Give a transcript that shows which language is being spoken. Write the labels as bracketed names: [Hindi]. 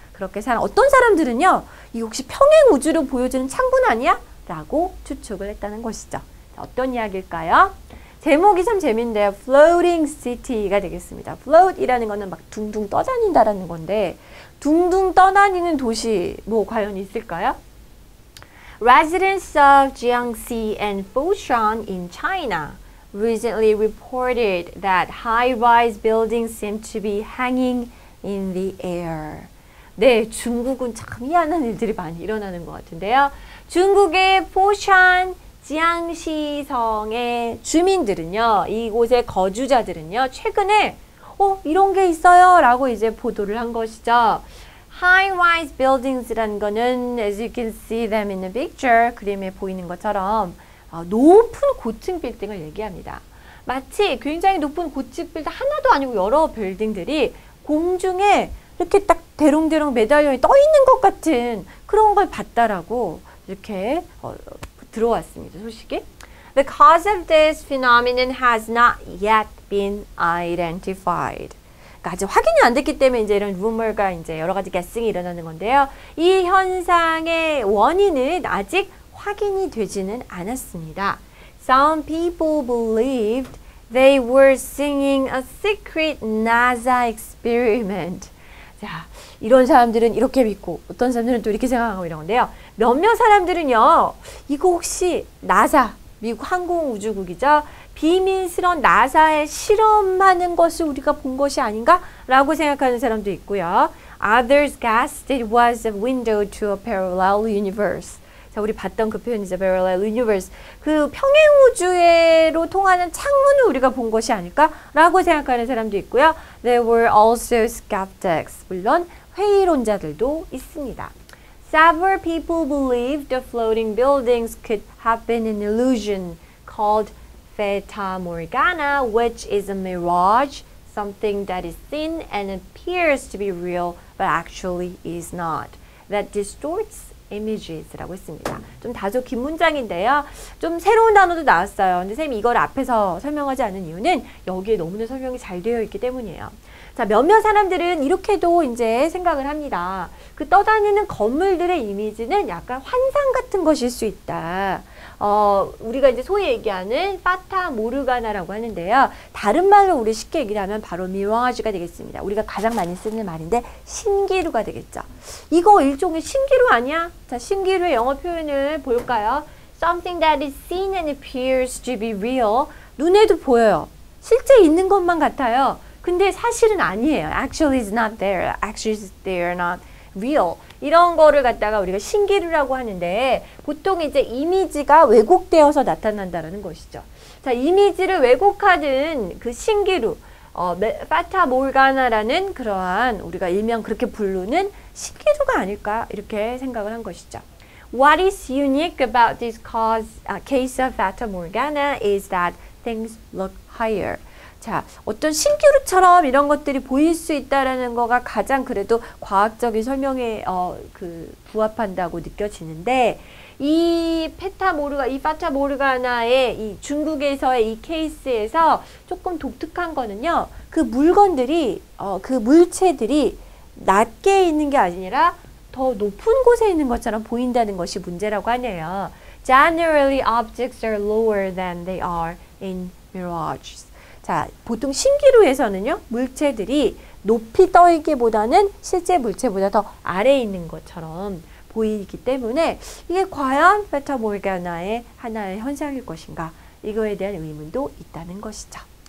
[Korean] 그렇게 어떤 사람들은요, 이 혹시 평행우주로 보여지는 창분 아니야? 라고 추측을 했다는 것이죠. 자, 어떤 이야기일까요? 제목이 참 재밌는데요. Floating City가 되겠습니다. Float이라는 거는 막 둥둥 떠다닌다라는 건데 둥둥 떠다니는 도시 뭐 과연 있을까요? [English] Residents of Jiangxi and Foshan in China recently reported that high-rise buildings seem to be hanging in the air. [Korean] 네, 중국은 참 희한한 일들이 많이 일어나는 것 같은데요. 중국의 포샨 지양시성의 주민들은요, 이곳의 거주자들은요, 최근에 이런 게 있어요 라고 이제 보도를 한 것이죠. [English] High-rise buildings라는 거는 as you can see them in the picture, [Korean] 그림에 보이는 것처럼 높은 고층 빌딩을 얘기합니다. 마치 굉장히 높은 고층 빌딩 하나도 아니고 여러 빌딩들이 공중에 이렇게 딱 대롱대롱 매달려 떠 있는 것 같은 그런 걸 봤다라고 이렇게 들어왔습니다. 소식이. [English] The cause of this phenomenon has not yet been identified. [Korean] 그러니까 아직 확인이 안 됐기 때문에 이제 이런 루머가 이제 여러 가지 게싱이 일어나는 건데요. 이 현상의 원인은 아직 확인이 되지는 않았습니다. [English] Some people believed they were singing a secret NASA experiment. [Korean] 자, 이런 사람들은 이렇게 믿고 어떤 사람들은 또 이렇게 생각하고 이런 건데요. 몇몇 사람들은요, 이거 혹시 나사, 미국 항공우주국이죠? 비밀스러운 나사의 실험하는 것을 우리가 본 것이 아닌가? 라고 생각하는 사람도 있고요. [English] Others guessed it was a window to a parallel universe. [Korean] 자, 우리 봤던 그 표현이죠. [English] Parallel universe. [Korean] 그 평행우주로 통하는 창문을 우리가 본 것이 아닐까? 라고 생각하는 사람도 있고요. [English] There were also skeptics. [Korean] 물론 회의론자들도 있습니다. [English] Several people believe the floating buildings could have been an illusion called Fata Morgana, which is a mirage, something that is seen and appears to be real, but actually is not, that distorts images [Korean] 라고 했습니다. 좀 다소 긴 문장인데요. 좀 새로운 단어도 나왔어요. 근데 선생님이 이걸 앞에서 설명하지 않은 이유는 여기에 너무나 설명이 잘 되어 있기 때문이에요. 자, 몇몇 사람들은 이렇게도 이제 생각을 합니다. 그 떠다니는 건물들의 이미지는 약간 환상 같은 것일 수 있다. 우리가 이제 소위 얘기하는 파타 모르가나라고 하는데요. 다른 말로 우리 쉽게 얘기를 하면 바로 미라지가 되겠습니다. 우리가 가장 많이 쓰는 말인데 신기루가 되겠죠. 이거 일종의 신기루 아니야? 자, 신기루의 영어 표현을 볼까요? [English] Something that is seen and appears to be real. [Korean] 눈에도 보여요. 실제 있는 것만 같아요. 근데 사실은 아니에요. [English] Actually, it's not there. Actually, they are not real. [Korean] 이런 거를 갖다가 우리가 신기루라고 하는데 보통 이제 이미지가 왜곡되어서 나타난다라는 것이죠. 자, 이미지를 왜곡하는 그 신기루, 파타 몰가나라는 그러한 우리가 일명 그렇게 부르는 신기루가 아닐까 이렇게 생각을 한 것이죠. [English] What is unique about this case of Fata Morgana is that things look higher. [Korean] 자, 어떤 신기루처럼 이런 것들이 보일 수 있다라는 거가 가장 그래도 과학적인 설명에 부합한다고 느껴지는데 이 파타 모르가나의 이 중국에서의 이 케이스에서 조금 독특한 거는요. 그 물건들이 그 물체들이 낮게 있는 게 아니라 더 높은 곳에 있는 것처럼 보인다는 것이 문제라고 하네요. [English] Generally objects are lower than they are in mirage. [Korean] 자, 보통 신기루에서는요, 물체들이 높이 떠있기보다는 실제 물체보다 더 아래에 있는 것처럼 보이기 때문에 이게 과연 페타 몰가나의 하나의 현상일 것인가? 이거에 대한 의문도 있다는 것이죠.